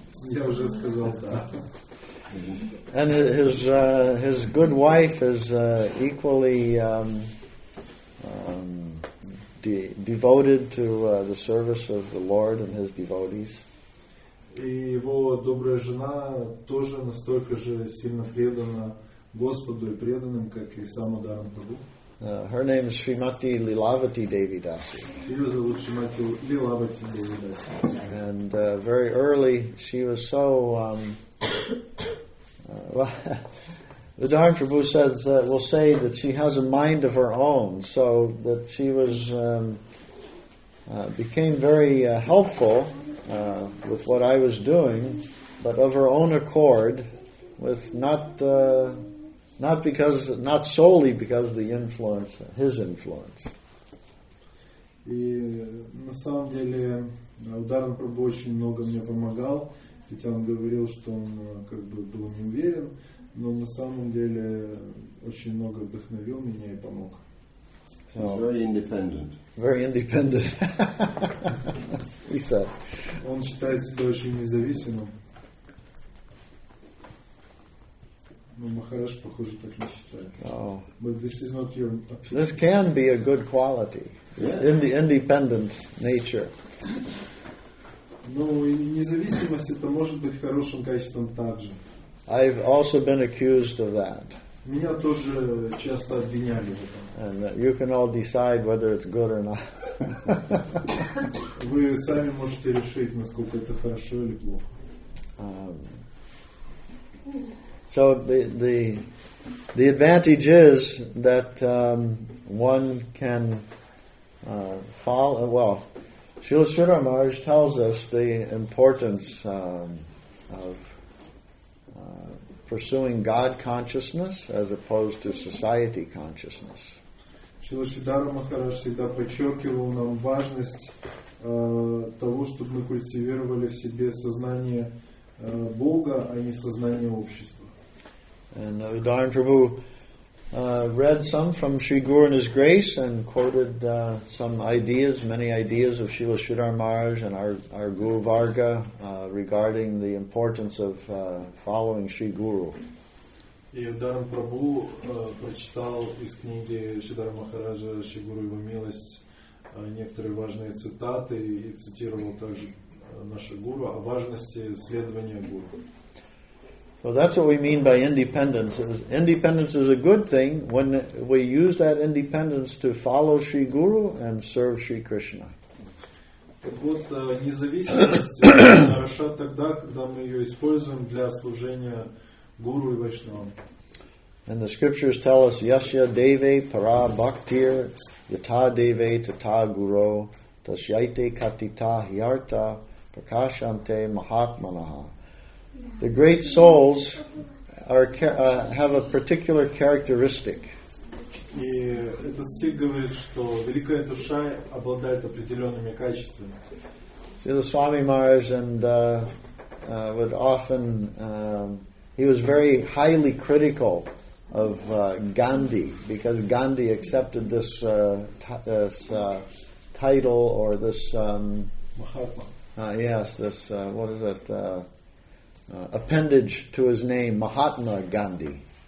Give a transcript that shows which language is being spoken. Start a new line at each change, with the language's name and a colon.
English: And his good wife is equally devoted to the service of the Lord and his devotees.
Russian: И его добрая жена тоже настолько же сильно предана Господу и преданным, как и сам Дарам Табу.
English: Her name is Srimati Lilavati Devi Dasi.
Russian: Её зовут Шримати Лилавати Деви Даси.
English: And very early she was so The Dharam Prabhu says that will say that she has a mind of her own, so that she was became very helpful with what I was doing, but of her own accord, with not solely because of the influence, his influence.
Russian: И на самом деле Дарам Прабху очень много мне помогал, хотя он говорил, что он как бы был не уверен. Но на самом деле очень много вдохновил меня и помог.
English: He's very independent. Very independent. He said.
Russian: Он считает себя очень независимым. Но Махарадж, похоже, так не считает.
English: Oh. But this is not your opinion. This can be a good quality. Yes. In the independent nature.
Russian: Ну, независимость это может быть хорошим качеством также.
English: I've also been accused of that.
Russian: Меня тоже часто обвиняли в этом.
English: And you can all decide whether it's good or not.
Russian: Вы сами можете решить, насколько это хорошо или плохо.
English: So the advantage is that one can follow. Well, Srila Sridhar Maharaj tells us the importance of pursuing God consciousness as opposed to society consciousness.
Russian: Srila Sridhar Maharaj всегда подчеркивал нам важность того, чтобы мы культивировали в себе сознание Бога, а не сознание общества.
English: And Udayan Prabhu read some from Sri Guru and His Grace and quoted some ideas, many ideas of Srila Sridhar Maharaj and our Guru Varga regarding the importance of following Sri Guru.
Russian: И Дарм Прабху прочитал из книги Шридхара Махараджа «Шри Гуру и его милость» некоторые важные цитаты и цитировал также наше Гуру о важности следования Гуру.
English: Well, that's what we mean by independence. Independence is a good thing when we use that independence to follow Sri Guru and serve Sri Krishna.
Russian: Так вот, независимость хороша тогда, когда мы ее используем для служения Гуру и Вайшнавам.
English: And the scriptures tell us,
Sanskrit: yasya deve para bhaktir yata deve tata guru tasyaite katita hyarta prakashante mahatmanaha.
English: The great souls are have a particular characteristic.
Russian: И этот стих говорит, что великая душа обладает определенными качествами.
English: Srila Swami Maharaj and would often he was very highly critical of Gandhi because Gandhi accepted this title or this appendage to his name, Mahatma Gandhi.